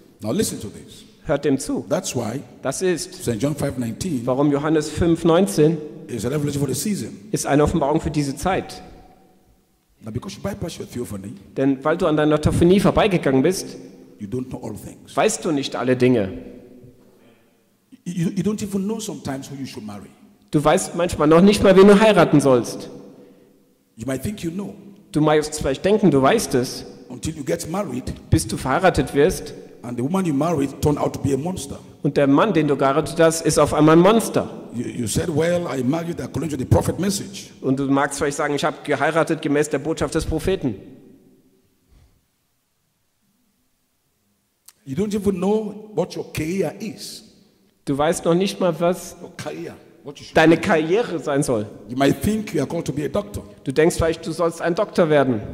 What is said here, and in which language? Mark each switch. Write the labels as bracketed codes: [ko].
[en] Now listen to this. [de] Hört dem zu. [en] That's why, [de] das ist [en] St. John 5:19, [de] warum Johannes 5:19 [en] is a revelation for the season, [de] ist eine Offenbarung für diese Zeit. [en] Now because you bypass your theophany, [de] denn weil du an deiner Theophanie vorbeigegangen bist, [en] you don't know all things, [de] weißt du nicht alle Dinge. [en] You don't even know sometimes who you should marry. [de] Du weißt manchmal noch nicht mal, wen du heiraten sollst. [en] You might think you know. [de] Du magst vielleicht denken, du weißt es. [en] Until you get married, [de] bis du verheiratet wirst. [en] And the woman you married turned out to be a monster. [de] Und der Mann, den du geheiratet hast, ist auf einmal ein Monster. [en] You said, well, I married according to the prophet message. [de] Und du magst vielleicht sagen, ich habe geheiratet gemäß der Botschaft des Propheten. [en] You don't even know what your career is. [de] Du weißt noch nicht mal, was deine Karriere sein soll. Du denkst vielleicht, du sollst ein Doktor werden.